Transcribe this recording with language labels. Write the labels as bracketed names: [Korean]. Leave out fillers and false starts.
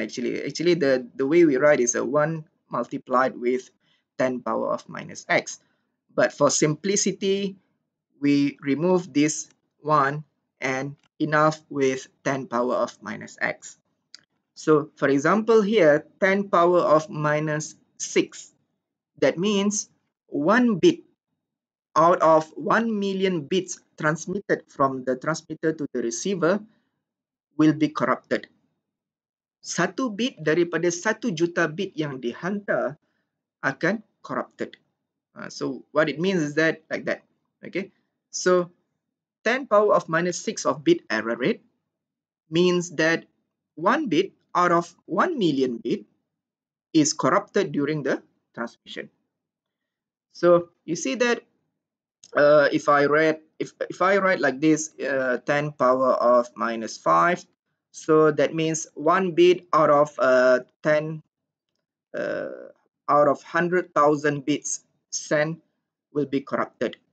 [English] Actually the way we write is a one multiplied with 10 power of minus x, but for simplicity we remove this one and enough with 10 power of minus x. So for example here, 10 power of minus 6, that means one bit out of 1 million bits transmitted from the transmitter to the receiver will be corrupted. [Malay] Satu bit daripada 1 juta bit yang dihantar akan corrupted. [English] So what it means is that, like that. Okay. So 10 power of minus 6 of bit error rate means that one bit out of 1 million bit is corrupted during the transmission. So you see that if I write like this, 10 power of minus 5, so that means one bit out of 10 out of 100,000 bits sent will be corrupted.